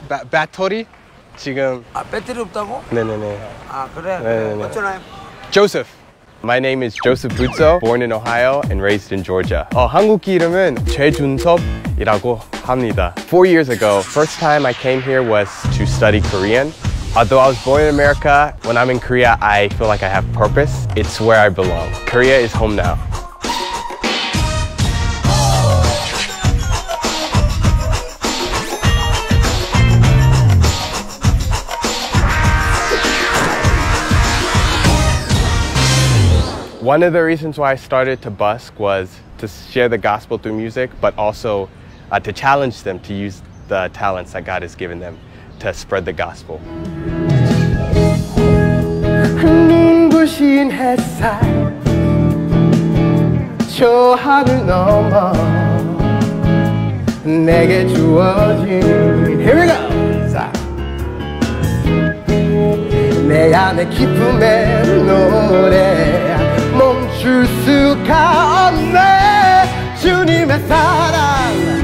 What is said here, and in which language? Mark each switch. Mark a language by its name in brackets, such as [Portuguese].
[Korean] 배터리? 지금. 아, 배터리 없다고? 네네네. 아, 그래. 네네네. [English] What's your name? Joseph. My name is Joseph Butso, born in Ohio and raised in Georgia. [Korean] 한국 이름은 최준섭이라고 합니다. [English] 4 years ago, first time I came here was to study Korean. Although I was born in America, when I'm in Korea, I feel like I have purpose. It's where I belong. Korea is home now. 1 of the reasons why I started to busk was to share the gospel through music, but also to challenge them to use the talents that God has given them to spread the gospel. [Korean] 눈부신 햇살 저 하늘 넘어 내게 주어진 [English] Here we go! [Korean] 내 안에 기쁨의 노래 멈출 수가 없네 주님의 사랑.